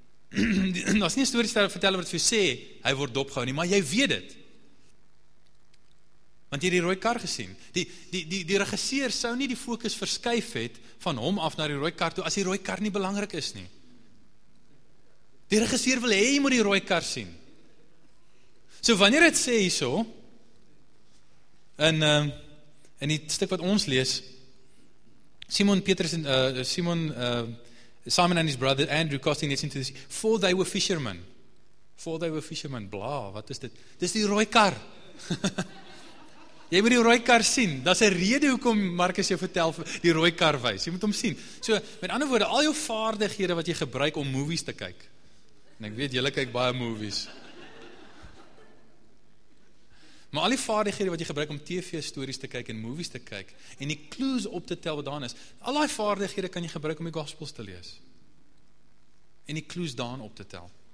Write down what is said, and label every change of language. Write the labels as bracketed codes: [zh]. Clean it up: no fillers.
[af] Dat is nie een story vertel wat vir jou sê, hy word dopgehou nie, maar jy weet het. Want jy het die rooi kar gesien. Die regisseur sou nie die fokus verskuif het van hom af na die rooi kar toe as die rooi kar nie belangrik is nie. Die regisseur wil hê jy moet die rooi kar sien. So wanneer dit sê hierso in die stuk wat ons lees, [en] Simon and his brother Andrew casting nets into the sea, for they were fishermen, [af] bla, wat is dit? Dis die rooi kar. Jy moet die rooi kar sien, dat is een rede hoekom Marcus jou vertel die rooi kar wys, jy moet hom sien. So, met ander woorde, al jou vaardighede wat jy gebruik om movies te kyk, en ek weet, jylle kyk baie movies, maar al die vaardighede wat jy gebruik om TV-stories te kyk en movies te kyk, en die clues op te tel wat daan is, al die vaardighede kan jy gebruik om die gospels te lees, en die clues daan op te tel.